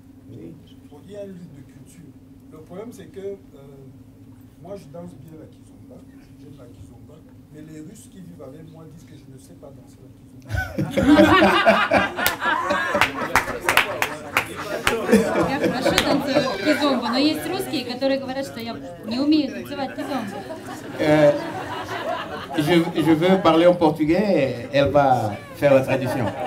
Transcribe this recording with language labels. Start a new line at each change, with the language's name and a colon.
French: Il y a une lutte de culture. Le problème, c'est que moi, je danse bien la kizomba, j'aime la kizomba, mais les Russes qui vivent avec moi disent que je ne sais pas danser la kizomba.
Russian: Я хорошо танцую кизомбу, но есть русские, которые говорят, что я не умею танцевать кизомбу.
French: Je veux parler en portugais, elle va faire la tradition.